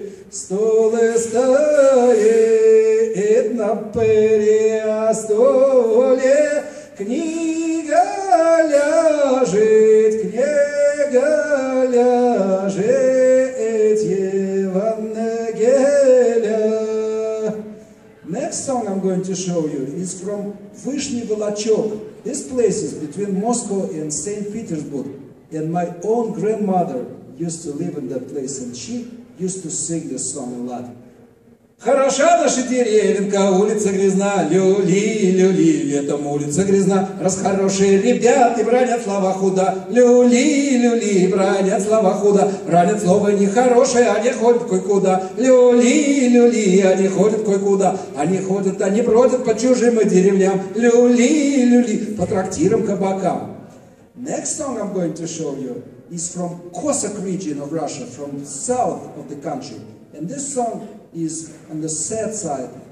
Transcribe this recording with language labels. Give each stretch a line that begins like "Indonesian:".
Russian: Столы стоит на перестоле, книга ляжет, книга ляжет, Евангелие.
English: Next song I'm going to show you is from Vyshny Volochok. This place is between Moscow and St. Petersburg. And my own grandmother used to live in that place, and she used to sing this song a lot.
Russian: Хороша наша деревенька, улица грязна, люли-люли, летом улица грязна, раз хорошие ребята бранят слова худа, люли-люли, бранят слова худа, бранят слова нехорошие, они ходят кой-куда, люли-люли, они ходят кой-куда, они ходят, они бродят по чужим деревням, люли-люли, по трактирам кабакам.
English: Next song I'm going to show you is from Cossack region of Russia, from the south of the country. And this song is on the sad side.